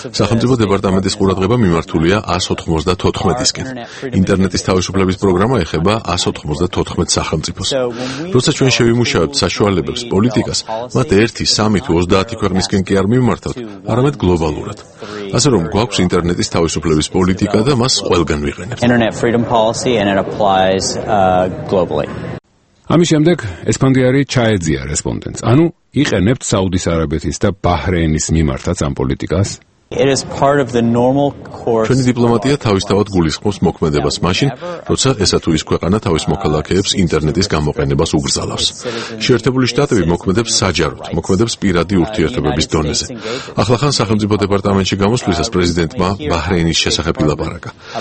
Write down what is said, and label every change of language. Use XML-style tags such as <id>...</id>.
<ka>სახელმწიფო დეპარტამენტის ყურადღება მიმართულია 194-ისკენ. ინტერნეტის თავისუფლების პროგრამა ეხება 194 სახელმწიფოს. როცა ჩვენ შევიმუშავებთ საშუალებებს, პოლიტიკას, მათ 1-3-20 ქვეყნისკენ კი არ მიმართავთ, არამედ გლობალურად. ასე რომ გვაქვს ინტერნეტის თავისუფლების პოლიტიკა და მას ყველგან ვიყენებთ.</ka> <en>Internet freedom policy and it applies globally.</en> <ka>ამის შემდეგ ესპანდიარი ჩაეძია რესპონდენტს. ანუ იყენებთ საუდის არაბეთის და ბაჰრეინის მიმართაც ამ პოლიტიკას?</ka> <en>It is part of the normal course.</en> <ka>ჩვენი დიპლომატია თავისთავად გულისხმობს მოქმედებას მაშინ, როცა ესა თუ ის ქვეყანა თავის მოქალაქეებს ინტერნეტის გამოყენებას უბრძალავს. შეერთებული შტატები მოქმედებს საჯაროდ, მოქმედებს პირადი ურთიერთობების დონეზე. ახლახან სახელმწიფო დეპარტამენტში გამოსვლისას პრეზიდენტმა ბაჰრეინის შესახებ ილაპარაკა.</ka>